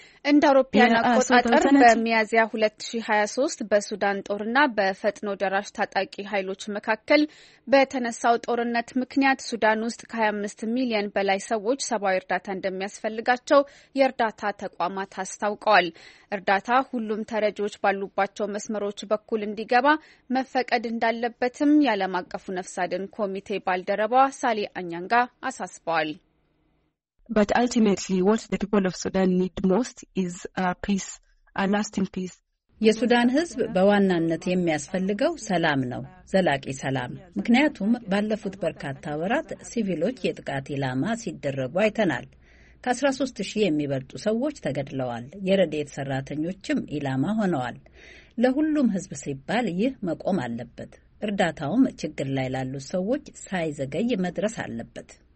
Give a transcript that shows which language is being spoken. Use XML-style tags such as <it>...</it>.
<am>እንደ አውሮፓውያን አቆጣጠር በሚያዝያ 2023 በሱዳን ጦርና በፈጥኖ ደራሽ ታጣቂ ኃይሎች መካከል በተነሳው ጦርነት ምክንያት ሱዳን ውስጥ ከ25 ሚሊዮን በላይ ሰዎች ሰብአዊ እርዳታ እንደሚያስፈልጋቸው የእርዳታ ተቋማት አስታውቀዋል። እርዳታ ሁሉም ተረጂዎች ባሉባቸው መስመሮች በኩል እንዲገባ መፈቀድ እንዳለበትም የዓለም አቀፉ ነፍስ አድን ኮሚቴ ባልደረባ ሳሊ አኛንጋ አሳስበዋል።</am> <en>But ultimately what the people of Sudan need most is peace, a lasting peace.</en> <am>የሱዳን ህዝብ በዋናነት የሚያስፈልገው ሰላም ነው፣ ዘላቂ ሰላም። ምክንያቱም ባለፉት በርካታ ወራት ሲቪሎች የጥቃት ኢላማ ሲደረጉ አይተናል። ከ13000 የሚበልጡ ሰዎች ተገድለዋል፣ የረድኤት ሰራተኞችም ኢላማ ሆነዋል። ለሁሉም ህዝብ ሲባል ይህ መቆም አለበት። እርዳታውም ችግር ላይ ላሉ ሰዎች ሳይዘገይ መድረስ አለበት።</am>